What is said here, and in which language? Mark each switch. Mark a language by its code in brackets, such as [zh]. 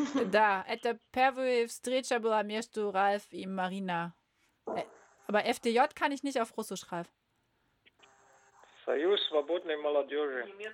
[ru] Da, это первая встреча была между Ralf и Marina. [de] Aber FDJ kann ich nicht auf Russisch, Ralf. [ru] Союз свободной молодежи.